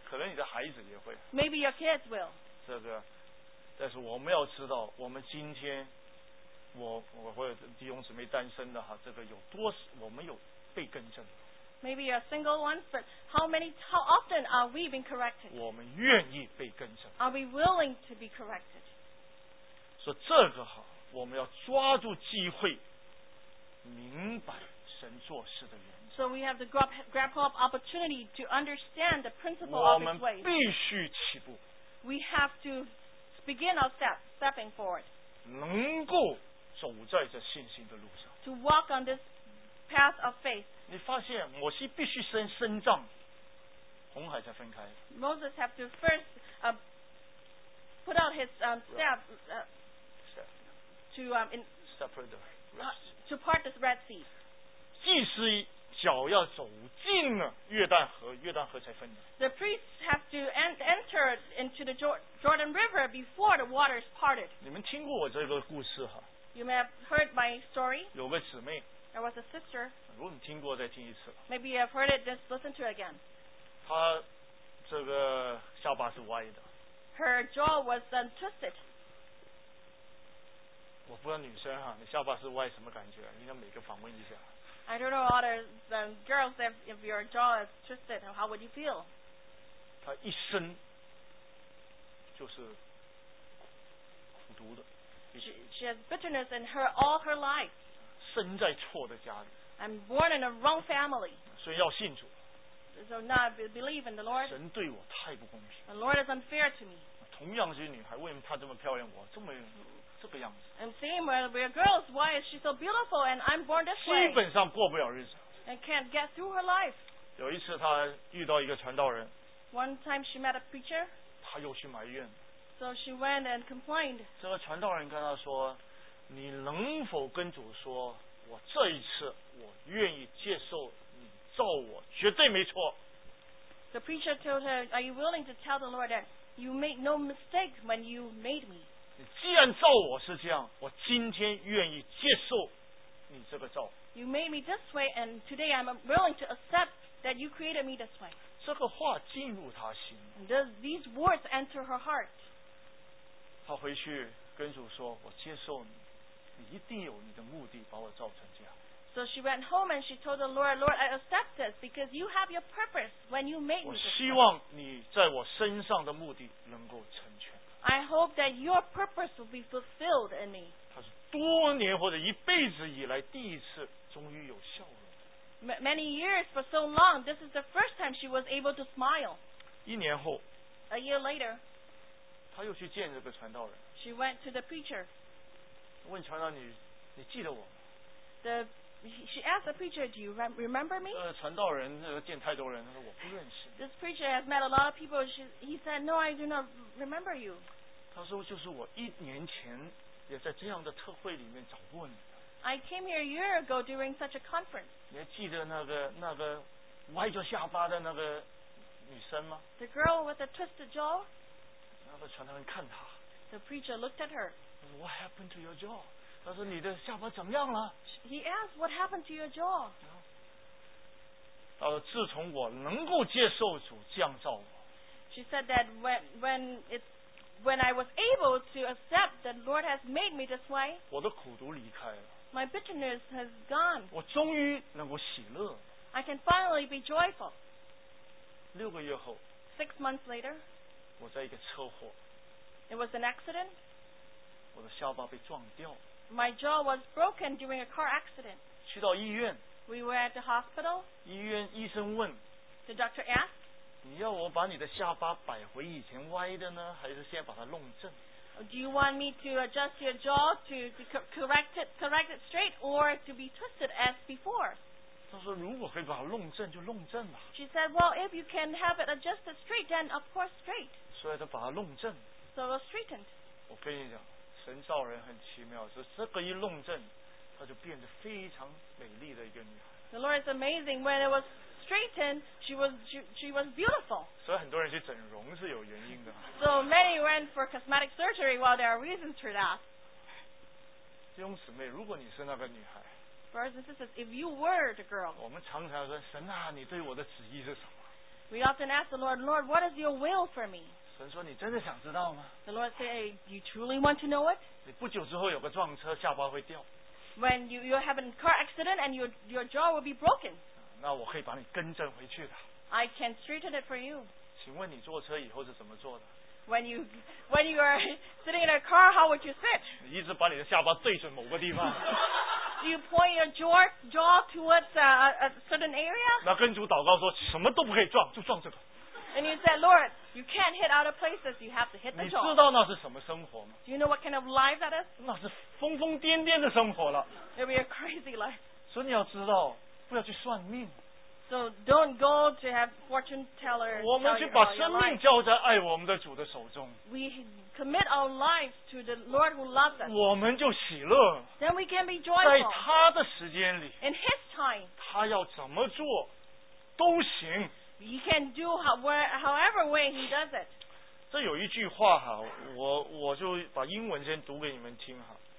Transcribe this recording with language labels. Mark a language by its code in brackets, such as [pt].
[zh] 可能你的孩子也会。 [en] Maybe your kids will. [zh] 这个，但是我们要知道，我们今天，我或者弟兄姊妹单身的哈，这个有多，我们有被更正。 [en] Maybe you're a single one, but how often are we being corrected? [zh] 我们愿意被更正。 [en] Are we willing to be corrected? [zh] 所以这个哈，我们要抓住机会，明白神做事的原则。 [en] So we have to grab hold of opportunity to understand the principle of His ways. [zh] 我们必须起步。 [en] We have to begin our stepping forward. [zh] 能够走在这信心的路上。 [en] To walk on this path of faith. [zh] 你发现摩西必须先伸杖，红海才分开。 [en] Moses have to first put out his staff to part the Red Sea. [zh] 祭司脚要走进了约旦河，约旦河才分的。 [en] The priests have to enter into the Jordan River before the waters parted. [zh] 你们听过我这个故事哈？ [en] You may have heard my story. [zh] 有个姊妹。 [en] There was a sister. [zh] 如果你听过，再听一次。 [en] Maybe you have heard it. Just listen to it again. [zh] 她这个下巴是歪的。 [en] Her jaw was untwisted. [zh] 我不知道女生哈，你下巴是歪什么感觉？应该每个访问一下。 [en] I don't know other than girls if your jaw is twisted, how would you feel? [zh] 她一生就是苦读的。 [en] She has bitterness in her all her life. [zh] 生在错的家里。 [en] I'm born in a wrong family. [zh] 所以要信主。 [en] So now believe in the Lord. [zh] 神对我太不公平。 [en] The Lord is unfair to me. [zh] 同样是女孩，为什么她这么漂亮，我这个样子？ [en] And same way we're girls, why is she so beautiful and I'm born this way? [zh] 基本上过不了日子。 [en] And can't get through her life. [zh] 有一次她遇到一个传道人。 [en] One time she met a preacher. [zh] 她又去埋怨。 [en] So she went and complained. [zh] 这个传道人跟她说。你能否跟主说，我这一次我愿意接受你造我，绝对没错。 [en] The preacher told her, "Are you willing to tell the Lord that you made no mistake when you made me?" [zh] 你既然造我是这样，我今天愿意接受你这个造。 [en] You made me this way, and today I'm willing to accept that you created me this way. [zh] 这个话进入他心。 [en] These words enter her heart. [zh] 他回去跟主说，我接受你。你一定有你的目的把我造成这样。 [en] So she went home and she told the Lord, Lord, I accept this because you have your purpose when you made me. [zh] 我希望你在我身上的目的能够成全。 [en] I hope that your purpose will be fulfilled in me. [zh] 他是多年或者一辈子以来第一次终于有笑容。 [en] Many years for so long, this is the first time she was able to smile. [zh] 一年后。 [en] A year later. [zh] 他又去见这个传道人。 [en] She went to the preacher. [zh] 问传道你记得我吗？ [en] She asked the preacher, "Do you remember me?" [zh] 传道人见太多人，他说我不认识。 [en] This preacher has met a lot of people. He said, "No, I do not remember you." [zh] 他说就是我一年前也在这样的特会里面找过你。 [en] I came here a year ago during such a conference. [zh] 你还记得那个歪着下巴的那个女生吗？ [en] The girl with the twisted jaw. [zh] 那个传道人看她。 The preacher looked at her. [en] What happened to your jaw? [zh] 他说你的下巴怎么样了？ [en] He asked, "What happened to your jaw?" [zh] 他说自从我能够接受主降造我。 [en] She said that when I was able to accept that Lord has made me this way. [zh] 我的苦毒离开了。 [en] My bitterness has gone. [zh] 我终于能够喜乐。 [en] I can finally be joyful. [zh] 六个月后。 [en] Six months later. [zh] 我在一个车祸。 [en] It was an accident. [zh] 我的下巴被撞掉。 [en] My jaw was broken during a car accident. [zh] 去到医院。 [en] We were at the hospital. [zh] 医院医生问。 [en] The doctor asked. [zh] 你要我把你的下巴摆回以前歪的呢，还是先把它弄正 [en] ？Do you want me to adjust your jaw to correct it straight or to be twisted as before? [zh] 她说如果可以把它弄正就弄正吧。 [en] She said, well, if you can have it adjusted straight, then of course straight. [zh] 所以她把它弄正。 [en] So it was straightened. [zh] 我跟你讲，神造人很奇妙，说这个一弄正，她就变得非常美丽的一个女孩。 [en] The Lord is amazing. When it was straightened, she was beautiful. [zh] 所以很多人去整容是有原因的。 [en] So many went for cosmetic surgery. Well, there are reasons for that. [zh] 弟兄姊妹，如果你是那个女孩 [en] ，Brothers and sisters, if you were the girl, [zh] 我们常常说，神啊，你对我的旨意是什么 [en] ？We often ask the Lord, Lord, what is your will for me? [zh] 神说，你真的想知道吗 [en] ？The Lord say, hey, you truly want to know it? [zh] 你不久之后有个撞车，下巴会掉。 [en] When you have a car accident and your jaw will be broken, [zh] 那我可以把你更正回去的。 [en] I can straighten it for you. [zh] 请问你坐车以后是怎么坐的？ [en] When you are sitting in a car, how would you sit? [zh] 你一直把你的下巴对准某个地方。 [en] Do you point your jaw towards a certain area? [zh] 那跟主祷告说，什么都不可以撞，就撞这个。 [en] And you said, Lord, you can't hit other places. You have to hit the jaw. [zh] 你知道那是什么生活吗 [en] ？Do you know what kind of life that is? [zh] 那是疯疯癫癫的生活了。 [en] It'll be a crazy life. [zh] 所以你要知道，不要去算命。 [en] So don't go to have fortune teller. [zh] 我们去把生命交在爱我们的主的手中。 [en] We commit our lives to the Lord who loves us. [zh] 我们就喜乐。 [en] Then we can be joyful. [zh] 在他的时间里。 [en] In his time. [zh] 他要怎么做，都行。 [en] He can do however way he does it. [zh] 这有一句话哈，我就把英文先读给你们听哈。